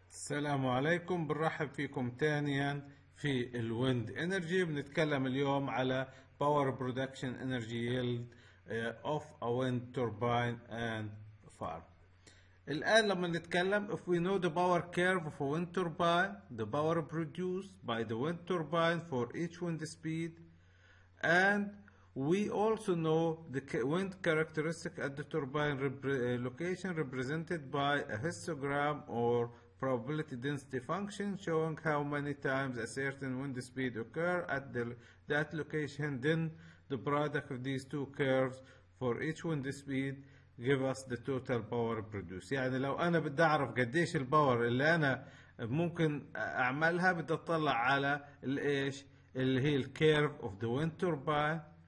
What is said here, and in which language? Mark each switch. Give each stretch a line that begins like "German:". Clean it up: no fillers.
Arabic: السلام عليكم، بنرحب فيكم ثانيا في الويند انرجي. بنتكلم اليوم على
English: Power production energy yield of a wind turbine and farm.
Arabic: الان لما نتكلم
English: if we know the power curve of a wind turbine, the power produced by the wind turbine for each wind speed, and we also know the wind characteristic at the turbine location represented by a histogram or probability density function showing how many times a certain wind speed occur at that location, then the product of these two curves for each wind speed give us the total power produced.
Arabic: يعني لو أنا بدي أعرف قديش الباور اللي أنا ممكن أعملها بدي أطلع على الإيش اللي هي الكيرف
English: of the wind turbine.